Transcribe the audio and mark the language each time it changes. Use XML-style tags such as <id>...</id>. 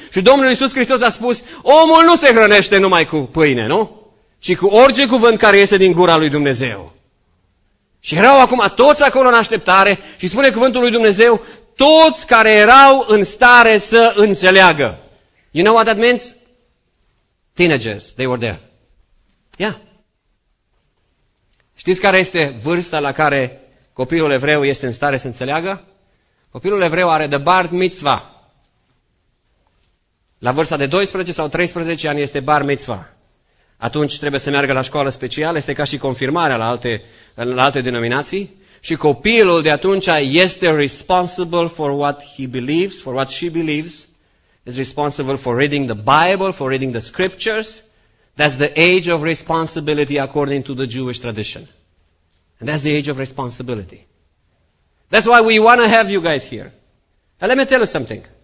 <ro>Și Domnul Iisus Hristos a spus, omul nu se hrănește numai cu pâine, nu? Ci cu orice cuvânt care iese din gura lui Dumnezeu. Și erau acum toți acolo în așteptare și spune cuvântul lui Dumnezeu, toți care erau în stare să înțeleagă.</ro> <en>You know what that means? Teenagers, they were there. Yeah.</en> <ro>Știți care este vârsta la care copilul evreu este în stare să înțeleagă? Copilul evreu are the bar mitzvah. La vârsta de 12 sau 13 ani este bar mitzvah. Atunci trebuie să meargă la școală specială, este ca și confirmarea la alte denominații.</ro> <en>Și copilul de atunci este responsible for what he believes, for what she believes, is responsible for reading the Bible, for reading the scriptures. That's the age of responsibility according to the Jewish tradition. And that's the age of responsibility. That's why we want to have you guys here. And let me tell you something.</en>